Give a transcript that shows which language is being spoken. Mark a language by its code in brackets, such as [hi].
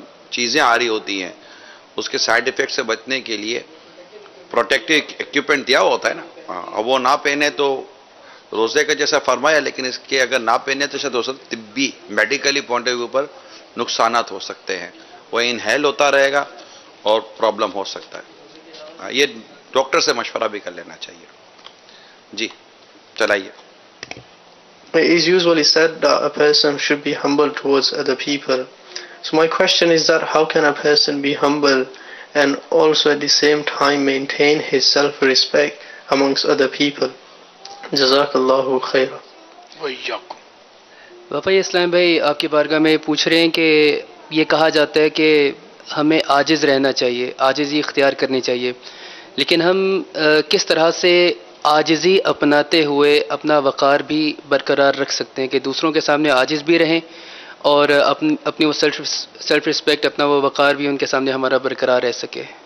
[ur] چیزیں آ رہی ہوتی ہیں اس کے سائڈ افیکٹ سے بچنے کے لیے پروٹیکٹیو ایکوپمنٹ دیا ہوتا ہے نا, اب وہ نہ پہنے تو روزے کا جیسا فرمایا, لیکن اس کے اگر نہ پہنے تو شاید ہو سکتا طبی میڈیکلی پوائنٹ آف ویو پر نقصانات ہو سکتے ہیں, وہ انہیل ہوتا رہے گا اور پرابلم ہو سکتا ہے, یہ ڈاکٹر سے مشورہ بھی کر لینا چاہیے. جی چلائیے. [en] As usually said that a person should be humble towards other people, so my question is that how can a person be humble and also at the same time maintain his self respect amongst other people, جزاک اللہ خیر. [ar] ویاکم. [ur] باپا, یہ اسلام بھائی آپ کی بارگاہ میں پوچھ رہے ہیں کہ یہ کہا جاتا ہے کہ ہمیں عاجز رہنا چاہیے, عاجزی اختیار کرنی چاہیے, لیکن ہم کس طرح سے عاجزی اپناتے ہوئے اپنا وقار بھی برقرار رکھ سکتے ہیں کہ دوسروں کے سامنے عاجز بھی رہیں اور اپنی وہ سیلف رسپیکٹ, اپنا وہ وقار بھی ان کے سامنے ہمارا برقرار رہ سکے؟